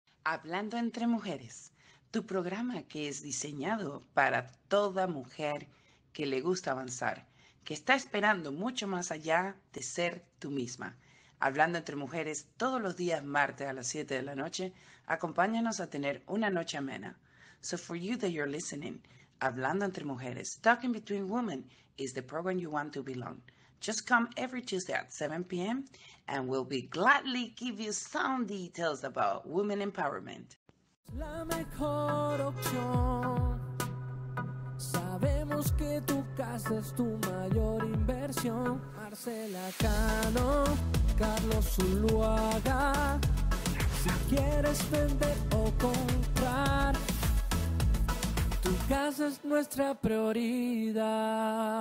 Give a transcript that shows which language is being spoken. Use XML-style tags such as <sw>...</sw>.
<es>Hablando entre mujeres, tu programa que es diseñado para toda mujer que le gusta avanzar, que está esperando mucho más allá de ser tú misma. Hablando entre mujeres todos los días martes a las 7 de la noche, acompáñanos a tener una noche amena.</es> <en>So for you that you're listening, Hablando entre mujeres, Talking Between Women is the program you want to belong. Just come every Tuesday at 7 p.m. and we'll be gladly give you some details about women empowerment.</en> <es>La mejor opción. Sabemos que tu casa es tu mayor inversión. Marcela Cano, Carlos Zuluaga. Si quieres vender o comprar, tu casa es nuestra prioridad.</es>